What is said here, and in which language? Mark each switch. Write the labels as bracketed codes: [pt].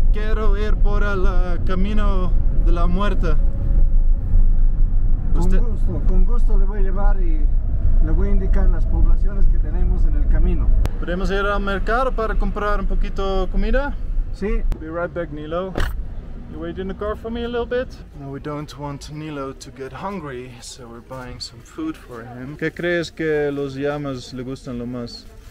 [es] Quiero ir por el camino de la muerte. Usted... con gusto le voy a llevar y le voy a indicar las poblaciones que tenemos en el camino. ¿Podemos ir al mercado para comprar un poquito de comida? Sí. [en] Be right back, Nilo. You wait in the car for me a little bit? No, we don't want Nilo to get hungry, so we're buying some food for him. [es] ¿Qué crees que los llamas le gustan lo más?